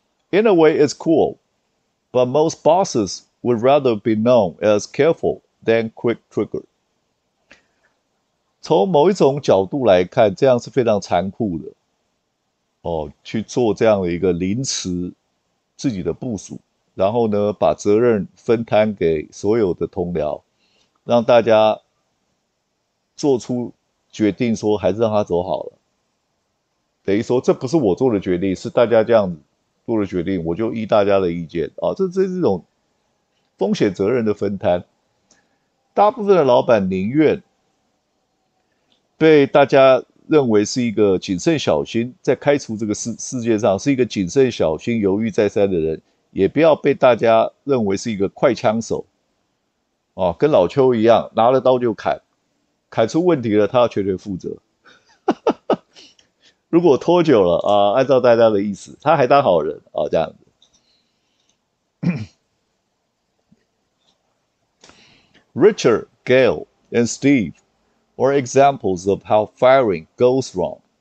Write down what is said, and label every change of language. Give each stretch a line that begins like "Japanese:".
English: In a way, it's cool, but most bosses would rather be known as careful than quick trigger.
Chinese: 从某一种角度来看，这样是非常残酷的。哦，去做这样的一个凌迟自己的部署，然后呢，把责任分摊给所有的同僚，让大家做出决定，说还是让他走好了。等于说，这不是我做的决定，是大家这样子。做了决定，我就依大家的意见啊，这种风险责任的分摊，大部分的老板宁愿被大家认为是一个谨慎小心，在开除这个世界上是一个谨慎小心、犹豫再三的人，也不要被大家认为是一个快枪手，啊，跟老邱一样拿了刀就砍，砍出问题了他要全权负责。如果拖久了啊，按照大家的意思，他还当好人啊，这样子。
English: Richard, Gale, and Steve are examples of how firing goes wrong.